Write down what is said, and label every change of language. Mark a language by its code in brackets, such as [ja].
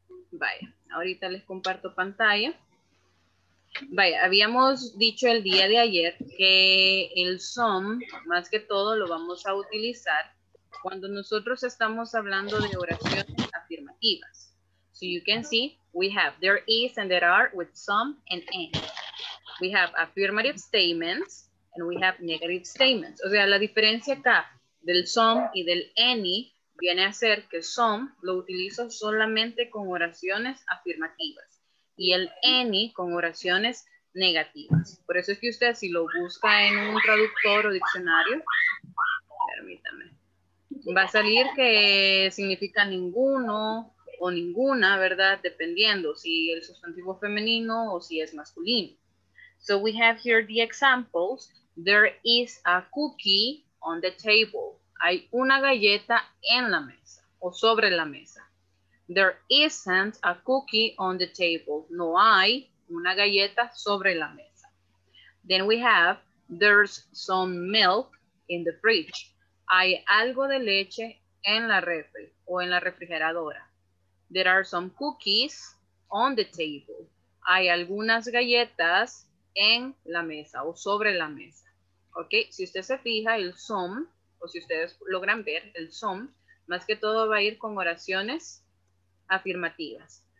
[es] Vaya, ahorita les comparto pantalla. Vaya, habíamos dicho el día de ayer que el some, más que todo, lo vamos a utilizar cuando nosotros estamos hablando de oraciones afirmativas. [en] So you can see, we have there is and there are with some and any. We have affirmative statements and we have negative statements. [es] O sea, la diferencia acá del some y del any viene a ser que some lo utilizo solamente con oraciones afirmativas y el any con oraciones negativas. Por eso es que usted si lo busca en un traductor o diccionario, permítame, va a salir que significa ninguno o ninguna, ¿verdad? Dependiendo si el sustantivo es femenino o si es masculino. [en] So we have here the examples. There is a cookie on the table. [es] Hay una galleta en la mesa o sobre la mesa. [en] There isn't a cookie on the table. [es] No hay una galleta sobre la mesa. [en] Then we have there's some milk in the fridge. [es] Hay algo de leche en la refri o en la refrigeradora. [en] There are some cookies on the table. [es] Hay algunas galletas en la mesa o sobre la mesa. ¿ok? Si usted se fija, el some, o si ustedes logran ver, el some, más que todo va a ir con oraciones afirmativas.